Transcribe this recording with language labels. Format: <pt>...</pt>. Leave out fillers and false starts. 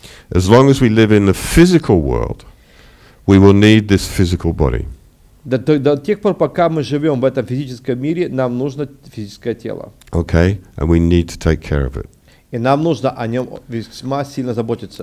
<en>As long as we live in the physical world, we will need this physical body.</en> <ru>До тех пор, пока мы живем в этом физическом мире, нам нужно физическое тело.</ru> <en>Okay, and we need to take care of it.</en> <ru>И нам нужно о нем весьма сильно заботиться.</ru>